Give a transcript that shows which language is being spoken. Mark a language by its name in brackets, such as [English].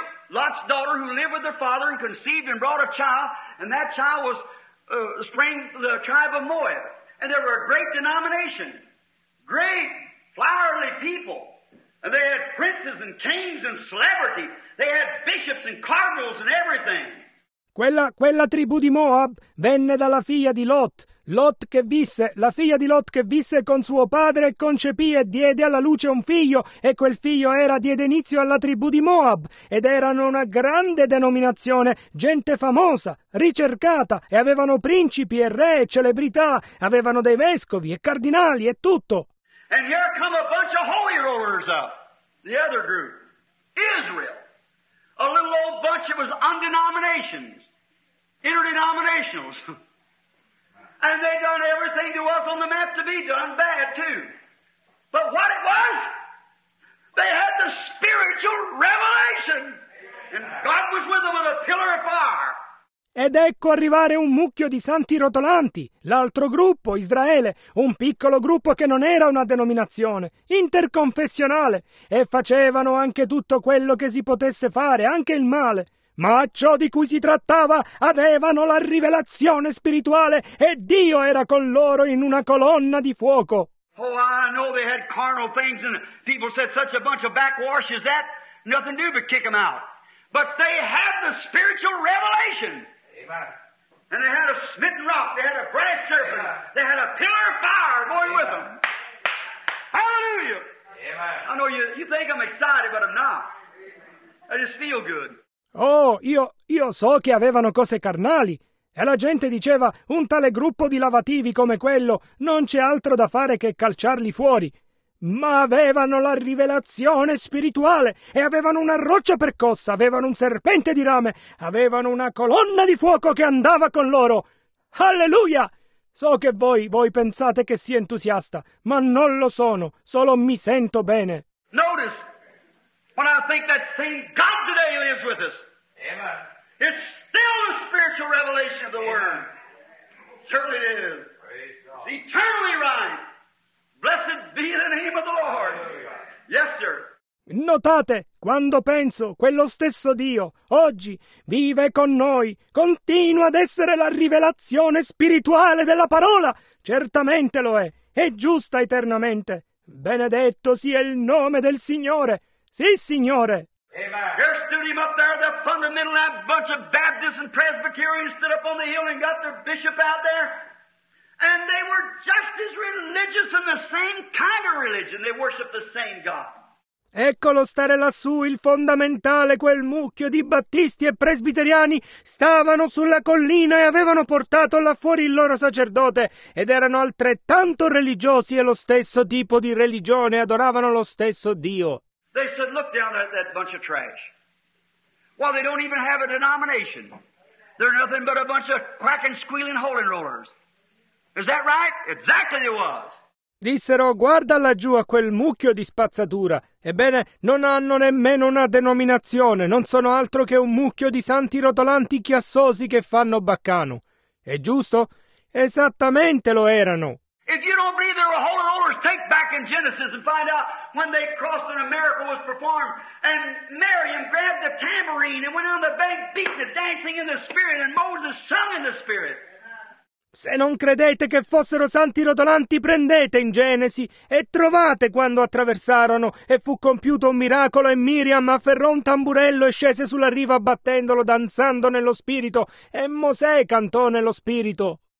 [English] Lot's daughter who lived with their father and conceived and brought a child, and that child was sprang the tribe of Moab. And there were a great denomination, great, flowery people. And they had princes and kings and celebrity. They had bishops and cardinals and everything. [Italian] Quella tribù di Moab venne dalla figlia di Lot. Lot che visse, la figlia di Lot che visse con suo padre concepì e diede alla luce un figlio, e quel figlio era diede inizio alla tribù di Moab, ed erano una grande denominazione, gente famosa, ricercata, e avevano principi e re e celebrità, avevano dei vescovi e cardinali e tutto. [English] And here come a bunch of holy rollers up, the other group, Israel, a little old bunch that was undenominations, interdenominationals. And they done everything there was on the map to be done, bad too. But what it was, they had the spiritual revelation, and God was with them with a pillar of fire. [Italian] Ed ecco arrivare un mucchio di santi rotolanti, l'altro gruppo, Israele, un piccolo gruppo che non era una denominazione, interconfessionale, e facevano anche tutto quello che si potesse fare, anche il male. Ma a ciò di cui si trattava avevano la rivelazione spirituale e Dio era con loro in una colonna di fuoco. [English] Oh, I know they had carnal things and people said such a bunch of backwash as that, nothing new but kick them out. But they had the spiritual revelation. Amen. And they had a smitten rock. They had a brass serpent. Amen. They had a pillar of fire going Amen. With them. Hallelujah. Amen. I know you think I'm excited, but I'm not. I just feel good. [Italian] Oh, io so che avevano cose carnali. E la gente diceva, un tale gruppo di lavativi come quello, non c'è altro da fare che calciarli fuori. Ma avevano la rivelazione spirituale e avevano una roccia percossa, avevano un serpente di rame, avevano una colonna di fuoco che andava con loro. Alleluia! So che voi pensate che sia entusiasta, ma non lo sono, solo mi sento bene. [English] Notice, when I think that same God today lives with us. Amen. It's still the spiritual revelation of the Word. Certainly it is. Praise God. It's eternally right. Blessed be the name of the Lord. Yes, sir. [Italian] Notate, quando penso, quello stesso Dio, oggi, vive con noi, continua ad essere la rivelazione spirituale della parola. Certamente lo è, è giusta eternamente. Benedetto sia il nome del Signore. Sì, Signore. [English] Amen. There stood him up there, the fundamental, that bunch of Baptists and Presbyterians stood up on the hill and got their bishop out there. And they were just as religious and the same kind of religion. They worshiped the same God. [Italian] Eccolo stare lassù il fondamentale, quel mucchio di battisti e presbiteriani stavano sulla collina e avevano portato là fuori il loro sacerdote ed erano altrettanto religiosi e lo stesso tipo di religione, adoravano lo stesso Dio. [English] They said, look down at that bunch of trash. Well, they don't even have a denomination. They're nothing but a bunch of quacking, squealing holy rollers. Is that right? Exactly it was. [Italian] Dissero, guarda laggiù a quel mucchio di spazzatura. Ebbene, non hanno nemmeno una denominazione, non sono altro che un mucchio di santi rotolanti chiassosi che fanno baccano. È giusto? Esattamente lo erano. [English] If you don't believe there were holy rollers, take back in Genesis and find out when they crossed and a miracle was performed and Miriam grabbed the tambourine and went on the bank beat the dancing in the spirit and Moses sung in the spirit. [Italian] Se non credete che fossero santi rotolanti, prendete in Genesi e trovate quando attraversarono e fu compiuto un miracolo e Miriam afferrò un tamburello e scese sulla riva battendolo, danzando nello spirito, e Mosè cantò nello spirito.